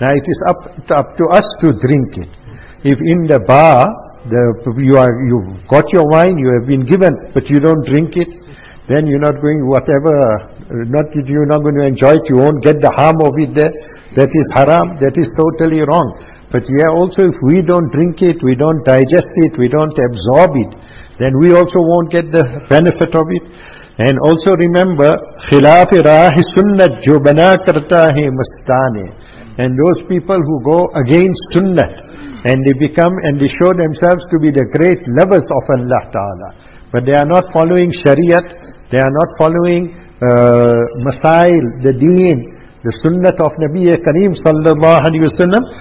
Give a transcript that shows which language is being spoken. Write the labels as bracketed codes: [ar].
[en] Now it is up to us to drink it. If in the bar, you've got your wine, you have been given, but you don't drink it, then you're not going you're not going to enjoy it, you won't get the harm of it there. That is haram, that is totally wrong. But yeah, also if we don't drink it, we don't digest it, we don't absorb it, then we also won't get the benefit of it. And also remember, [ur] خلاف راہ سنت جو بنا کرتا ہے مستانے. [en] And those people who go against sunnah, and they show themselves to be the great lovers of Allah Ta'ala, but they are not following Shariat, they are not following Masail, the Deen, the Sunnah of Nabi Kareem Sallallahu Alaihi Wasallam.